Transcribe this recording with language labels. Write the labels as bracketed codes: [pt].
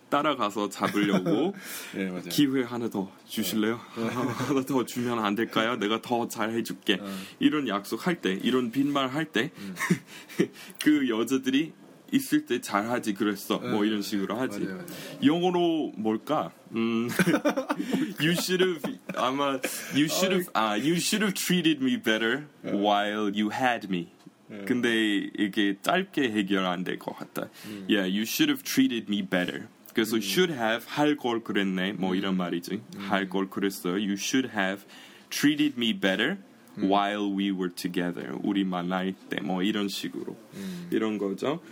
[ko] 따라가서 잡으려고 네, 맞아요. 기회 하나 더 주실래요? 네. 하나 더 주면 안 될까요? 내가 더 잘 해줄게. 이런 약속할 때, 이런 빈말 할 때 그 여자들이 있을 때 잘하지 그랬어. 네, 뭐 이런 식으로 하지. 맞아요, 맞아요. 영어로 뭘까? [en] you should have [ko] 아마 [en] you should have 아 you should have treated me better 네. while you had me. [ko] 네, 근데 이게 짧게 해결 안 될 것 같다. [en] Yeah, you should have treated me better. [ko] 그래서 [en] should have [ko] 할 걸 그랬네. 뭐 이런 말이지. 할 걸 그랬어요. [en] You should have treated me better. While we were together, [ko] 우리 만날 때 뭐 이런 식으로 이런 거죠.